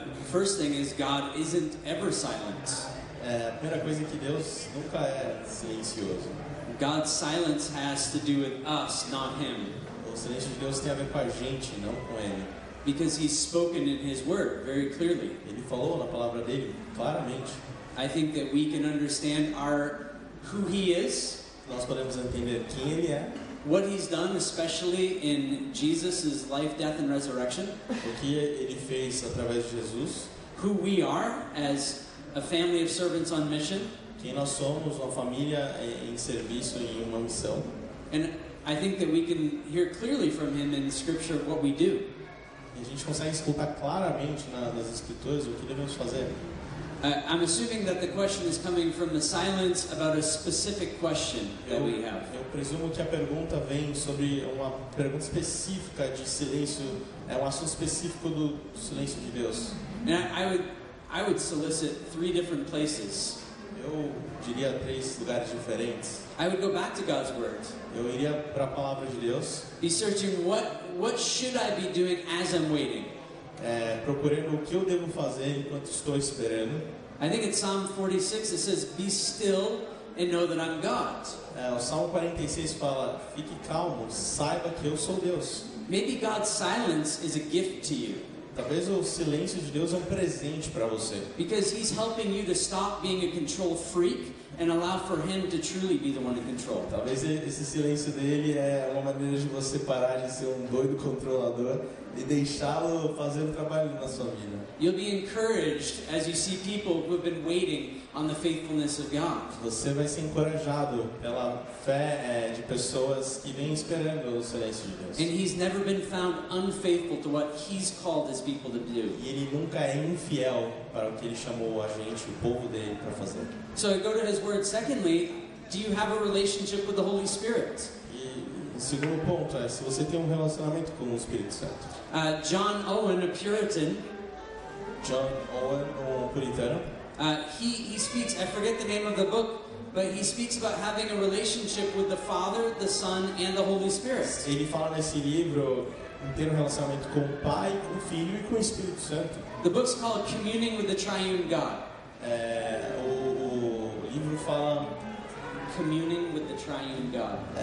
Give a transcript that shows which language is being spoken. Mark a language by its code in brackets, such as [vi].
[en] First thing is, God isn't ever silent. [pt] Primeira coisa que Deus nunca é silencioso. [en] God's silence has to do with us, not him. [pt] O silêncio de Deus tem a ver com a gente, não com ele. [en] Because he's spoken in his word very clearly. [pt] Ele falou na palavra dele claramente. [en] I think that we can understand who he is. [pt] Nós podemos entender quem ele é. [en] What he's done, especially in Jesus' life, death, and resurrection. [pt] O que ele fez através de Jesus. [en] Who we are as a family of servants on mission. [pt] Quem nós somos, uma família em serviço e uma missão. [en] And I think that we can hear clearly from him in Scripture what we do. [pt] E a gente consegue escutar claramente nas Escrituras o que devemos fazer. [en] I'm assuming that the question is coming from the silence about a specific question that we have. [pt] Eu presumo que a pergunta vem sobre uma pergunta específica de silêncio, é um assunto específico do silêncio de Deus. [en] And I would solicit three different places. [pt] Eu diria três lugares diferentes. [en] I would go back to God's word. [pt] Eu iria para a palavra de Deus. [en] Be searching what should I be doing as I'm waiting. [pt] Procurando o que eu devo fazer enquanto estou esperando. [en] I think it's Psalm 46, it says, be still and know that I'm God. [pt] É, o Salmo 46 fala, fique calmo, saiba que eu sou Deus. [en] Maybe God's silence is a gift to you. [pt] Talvez o silêncio de Deus é um presente para você. [en] Because he's helping you to stop being a control freak and allow for him to truly be the one in control. [pt] Talvez esse silêncio dele é uma maneira de você parar de ser um doido controlador e deixá-lo fazer o trabalho na sua vida. [en] You'll be encouraged as you see people who have been waiting on the faithfulness of God. [pt] Você vai ser encorajado pela fé de pessoas que vêm esperando o silêncio de Deus. [en] And he's never been found unfaithful to what he's called his people to do. [pt] E ele nunca é infiel para o que ele chamou a gente, o povo dele, para fazer. [en] So I go to his word. Secondly, do you have a relationship with the Holy Spirit? [pt] O segundo ponto é se você tem um relacionamento com o Espírito Santo. [en] John Owen, a Puritan. [pt] John Owen, um puritano. [en] He speaks. I forget the name of the book, but he speaks about having a relationship with the Father, the Son, and the Holy Spirit. [pt] Ele fala nesse livro em ter um relacionamento com o Pai, com o Filho e com o Espírito Santo. [en] The book's called Communing with the Triune God. [pt] O livro fala [en] Communing with the Triune God.